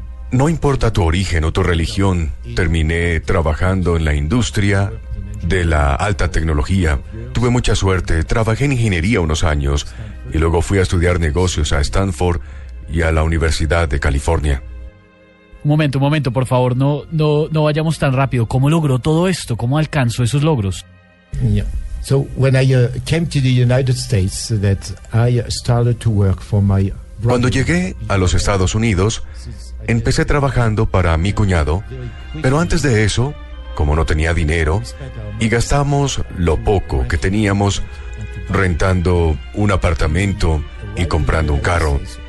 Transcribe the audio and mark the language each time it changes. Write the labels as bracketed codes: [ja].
[es] No importa tu origen o tu religión, terminé trabajando en la industria de la alta tecnología. Tuve mucha suerte, trabajé en ingeniería unos años y luego fui a estudiar negocios a Stanford y a la Universidad de California. Un momento, por favor, no vayamos tan rápido. ¿Cómo logró todo esto? ¿Cómo alcanzó esos logros? [en] Yeah. So when I came to the United States, that I started to work for my brother. [es] Cuando llegué a los Estados Unidos, empecé trabajando para mi cuñado, pero antes de eso, como no tenía dinero, y gastamos lo poco que teníamos rentando un apartamento y comprando un carro.